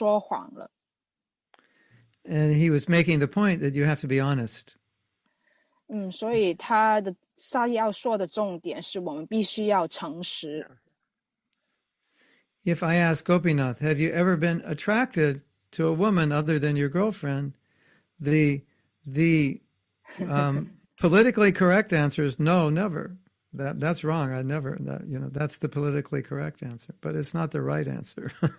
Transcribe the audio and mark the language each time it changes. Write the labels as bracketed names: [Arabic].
[Chinese] 然后有一个男人回答我，如果我回答你没有的话，我就是在说谎了。 [English] And he was making the point that you have to be honest. [Chinese] 所以他要说的重点是我们必须要诚实。 [English] If I ask Gopinath, have you ever been attracted to a woman other than your girlfriend? The politically correct answer is no, never. That's wrong. I never. That's the politically correct answer, but it's not the right answer.